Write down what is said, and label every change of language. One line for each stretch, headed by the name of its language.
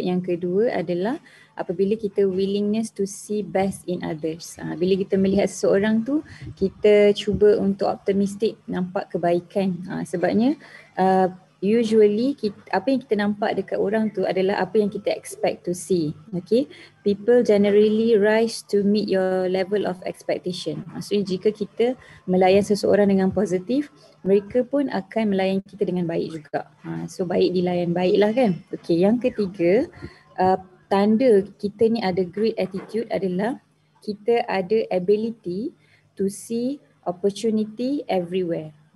Malay: Yang kedua adalah apabila kita
English: willingness to see best in others.
Malay: Bila kita melihat seseorang tu, kita cuba untuk optimistic nampak kebaikan. Sebabnya usually kita, apa yang kita nampak dekat orang tu adalah apa yang kita
English: expect to see. Okay, people generally rise to meet your level of expectation.
Malay: Maksudnya jika kita melayan seseorang dengan positif, mereka pun akan melayan kita dengan baik juga. So baik dilayan baiklah kan. Okay, yang ketiga, tanda kita ni ada great attitude adalah kita ada
English: ability to see opportunity everywhere.